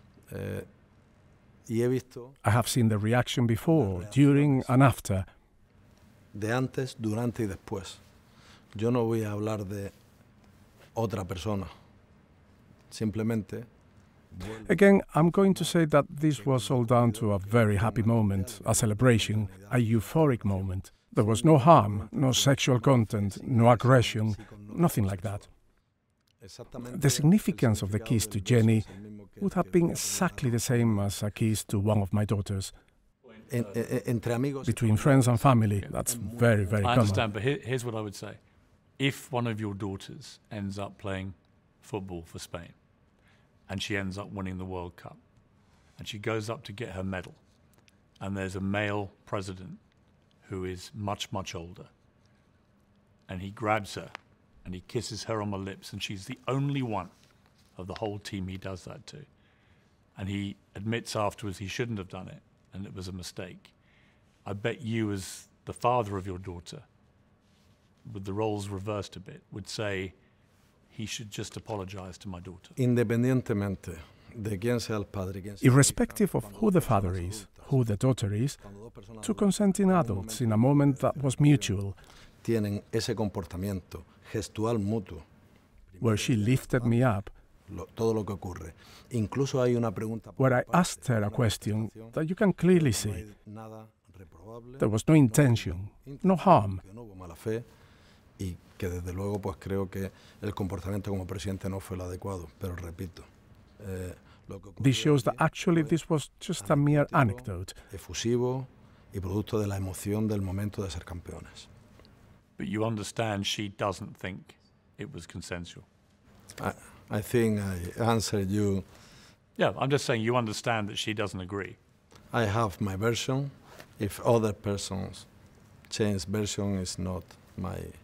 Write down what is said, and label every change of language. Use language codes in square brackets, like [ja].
[en] I have seen the reaction before, during and after. [es] De antes, durante y después. Yo no voy a hablar de otra persona. Simplemente... [en] Again, I'm going to say that this was all down to a very happy moment, a celebration, a euphoric moment. There was no harm, no sexual content, no aggression, nothing like that. The significance of the kiss to Jenni would have been exactly the same as a kiss to one of my daughters. Between friends and family, that's very, very common. I understand, but here's what I would say. If one of your daughters ends up playing football for Spain, and she ends up winning the World Cup, and she goes up to get her medal, and there's a male president who is much, much older, and he grabs her, and he kisses her on the lips, and she's the only one of the whole team he does that to, and he admits afterwards he shouldn't have done it, and it was a mistake. I bet you, as the father of your daughter, with the roles reversed a bit, would say he should just apologize to my daughter. [es] Independientemente de quién sea el padre, quién sea [en] irrespective of who the father is, who the daughter is, two consenting adults in a moment that was mutual, [es] tienen ese comportamiento gestual mutuo, [en] where she lifted me up, [es] todo lo que ocurre. Incluso hay una pregunta [en] where I asked her a question that you can clearly see. There was no intention, no harm. [es] Y que desde luego pues creo que el comportamiento como presidente no fue el adecuado, pero repito. [en] This shows that actually this was just a mere anecdote. [es] Efusivo y producto de la emoción del momento de ser campeones. [en] But you understand she doesn't think it was consensual. I think I answered you. Yeah, I'm just saying you understand that she doesn't agree. I have my version. If other persons change version, it's not my...